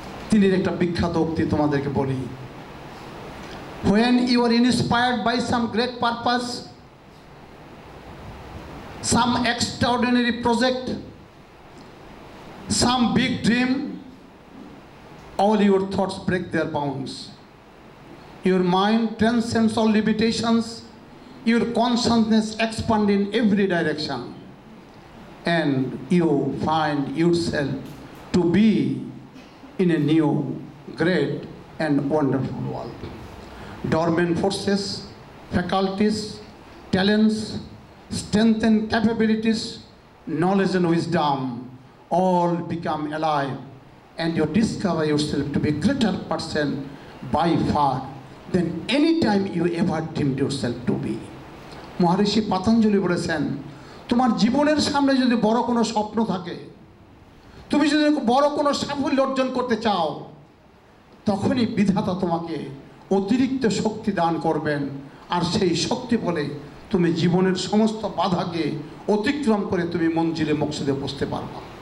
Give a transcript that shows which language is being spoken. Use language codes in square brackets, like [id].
[bn] তিনি একটা বিখ্যাত উক্তি তোমাদেরকে বলি [en] When you are inspired by some great purpose, some extraordinary project, some big dream, all your thoughts break their bounds. Your mind transcends all limitations, your consciousness expands in every direction, and you find yourself to be in a new, great, and wonderful world. Dormant forces, faculties, talents, strength and capabilities, knowledge and wisdom all become alive and you discover yourself to be a greater person by far than any time you ever dreamed yourself to be. [bn] Maharishi Patanjali বলেছেন তোমার জীবনের সামনে যদি বড় কোনো স্বপ্ন থাকে তুমি যদি বড় কোনো সাফল্য অর্জন করতে চাও তখনই বিধাতা তোমাকে অতিরিক্ত শক্তি দান করবেন আর সেই শক্তি বলে তুমি জীবনের সমস্ত বাধাকে অতিক্রম করে তুমি মঞ্জিলে মকসুদে পৌঁছতে পারবা